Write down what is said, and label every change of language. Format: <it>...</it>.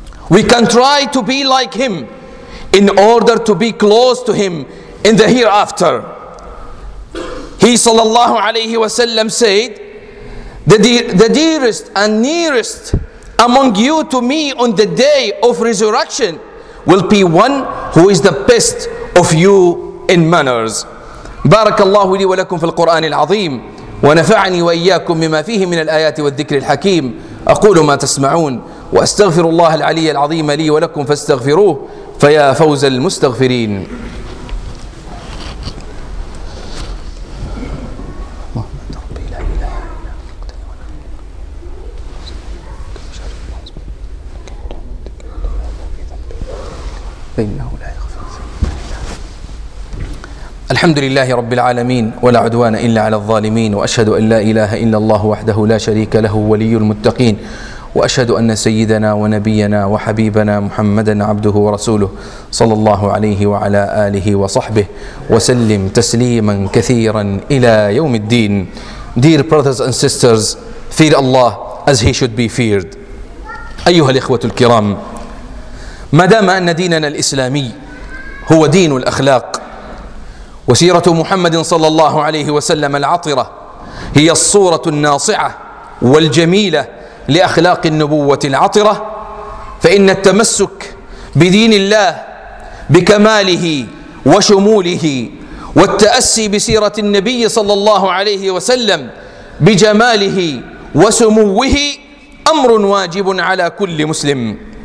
<en>We can try to be like him in order to be close to him in the hereafter. He sallallahu alayhi wa sallam said, the dearest and nearest among you to me on the day of resurrection will be one who is the best of you in manners.</en> <ar>بارك الله لي ولكم في القرآن العظيم ونفعني وإياكم مما فيه من الآيات والذكر الحكيم. أقول ما تسمعون وأستغفر الله العلي العظيم لي ولكم فاستغفروه فيا فوز المستغفرين. الحمد لله رب العالمين ولا عدوان إلا على الظالمين، وأشهد أن لا إله إلا الله وحده لا شريك له ولي المتقين، وأشهد أن سيدنا ونبينا وحبيبنا محمدا عبده ورسوله صلى الله عليه وعلى آله وصحبه وسلم تسليما كثيرا إلى يوم الدين.</ar> <en>Dear brothers and sisters, fear Allah as he should be feared.</en> <ar>أيها الإخوة الكرام، ما دام أن ديننا الإسلامي هو دين الأخلاق، وسيرة محمد صلى الله عليه وسلم العطرة هي الصورة الناصعة والجميلة لأخلاق النبوة العطرة، فإن التمسك بدين الله بكماله وشموله والتأسي بسيرة النبي صلى الله عليه وسلم بجماله وسموه أمر واجب على كل مسلم.</ar>